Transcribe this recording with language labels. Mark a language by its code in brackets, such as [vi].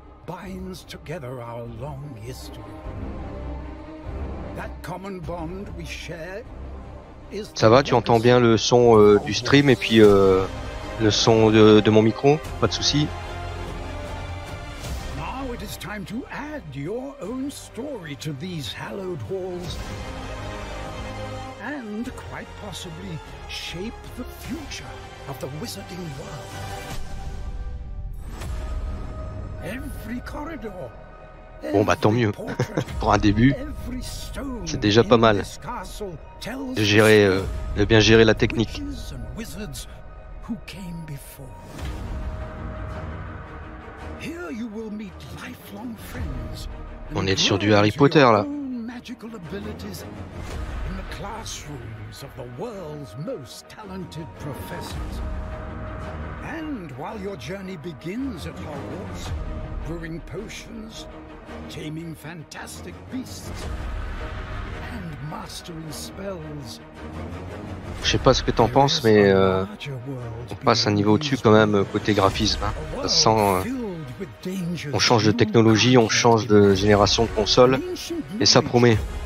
[en] binds together our long history. That common bond we share is... [fr] Ça va, tu entends bien le son du stream et puis le son de mon micro, pas de souci. [en] Now it is time to add your own story to these hallowed halls. And quite possibly shape the future of the wizarding world. Every corridor, every [fr] bon bah tant mieux pour un début. C'est déjà pas mal de gérer, de bien gérer la technique. [en] Who came before. Here you will meet lifelong friends. [fr] On est sur du Harry Potter là. [en] Magical abilities in the classrooms of the world's most talented professors. And while your journey begins at Hogwarts, brewing potions, taming fantastic beasts, and mastering spells. [fr] Je sais pas ce que t'en penses, mais on passe un niveau au-dessus quand même côté graphisme. Hein. Sans, on change de technologie, on change de génération de console, et ça promet.